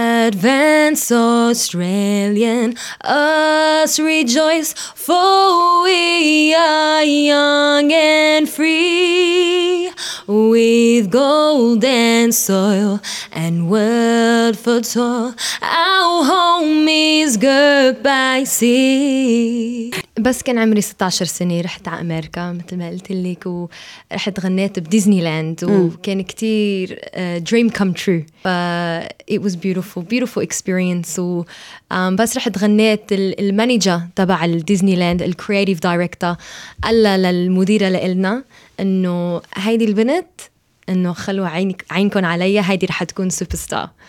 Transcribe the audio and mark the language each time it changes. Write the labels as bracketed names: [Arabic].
[English] Advance Australian, us rejoice, for we are young and free, with golden soil and world fertile, our home is good by sea. [Arabic] بس كان عمري 16 سنة رحت على أمريكا مثل ما قلت لك ورحت غنيت بديزني لاند وكان كتير [English] dream come true. It was beautiful experience. [Arabic] بس رحت غنيت المانجر تبع الديزني لاند الكرياتيف دايركتور قال للمديرة لإلنا إنه هيدي البنت إنه خلوا عينكم عليا هيدي رح تكون سوبر ستار.